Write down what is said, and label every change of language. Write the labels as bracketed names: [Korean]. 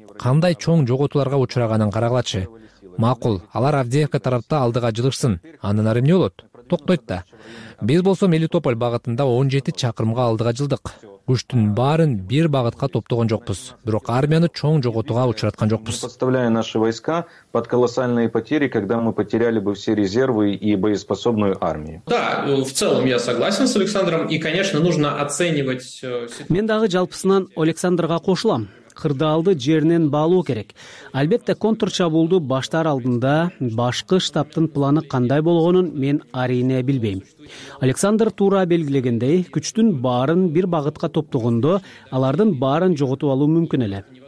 [Kyrgyz] Кандай чоң жоготууларга учураганын карагылачы. Макул, алар Авдеевка тарапта алдыга жылышсын, анан эмне болот? Токтойт да. Биз болсо Мелитополь багытында 17 чакырымга алдыга жылдык. Күчтүн баарын бир багытка топтогон жокпуз, бирок армияны чоң жоготууга учураткан жокпуз. [Russian] Подставляя наши войска под колоссальные потери, когда мы потеряли бы все резервы и боеспособную армию. Да, в целом я согласен с Александром, и, конечно, нужно оценивать... [Kyrgyz] Мен дагы жалпысынан Александрга кошулам. Кырдаалды жеринен баалоо керек. Албетте, контур чабуулду баштар алдында башкы штабтын планы кандай болгонун мен арийине билбейм. Александр туура белгилегендей, күчтүн баарын бир багытка топтогондо алардын баарын жоготуп алуу мүмкүн эле.